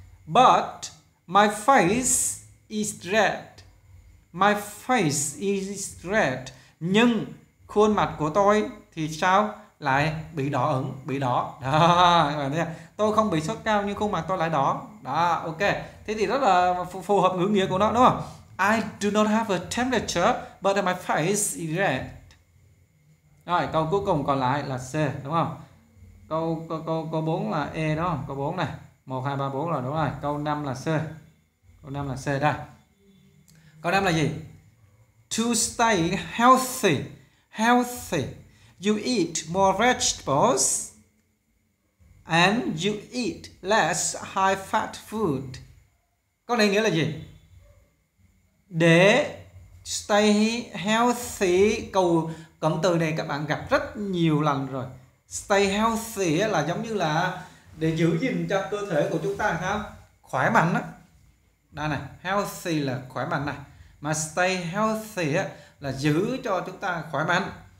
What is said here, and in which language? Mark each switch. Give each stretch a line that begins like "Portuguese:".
English: But my face is red. My face is red.
Vietnamese: Nhưng khuôn mặt của tôi thì sao? Lại bị đỏ ửng, bị đỏ. Đó, các bạn thấy không? Tôi không bị sốt cao nhưng khuôn mặt tôi lại đỏ. Đó, ok. Thế thì rất là phù hợp ngữ nghĩa của nó, đúng không?
English: I do not have a temperature, but my face is red.
Vietnamese: Rồi, câu cuối cùng còn lại là C, đúng không? Câu 4 là E đó, câu 4 này. 1, 2, 3, 4 là đúng rồi. Câu 5 là C. Câu 5 là C, đây. Câu 5 là gì?
English: To stay healthy. Healthy. You eat more vegetables and you eat less high fat food.
Vietnamese: Câu này nghĩa là gì? Để stay healthy, câu cụm từ này các bạn gặp rất nhiều lần rồi. Stay healthy là giống như là để giữ gìn cho cơ thể của chúng ta sao? Khỏe mạnh đó. Đây này, healthy là khỏe mạnh này. Mà stay healthy là giữ cho chúng ta khỏe mạnh.